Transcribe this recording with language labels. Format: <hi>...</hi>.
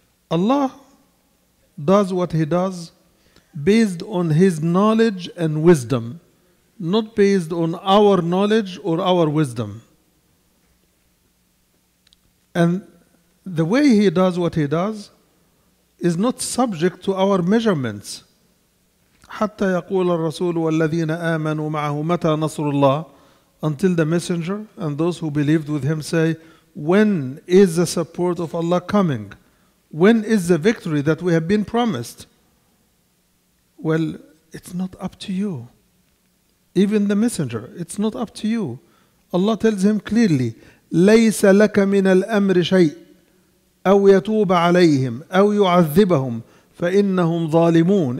<en>Allah does what he does based on his knowledge and wisdom, not based on our knowledge or our wisdom. And the way he does what he does is not subject to our measurements.</en> <ar>حتى يقول الرسول والذين آمنوا معه متى نصر الله.</ar> <en>Until the messenger and those who believed with him say, when is the support of Allah coming? When is the victory that we have been promised? Well, it's not up to you. Even the messenger, it's not up to you. Allah tells him clearly,</en> <ar>ليس لك من الأمر شيء أو يتوب عليهم أو يعذبهم فإنهم ظالمون.</ar>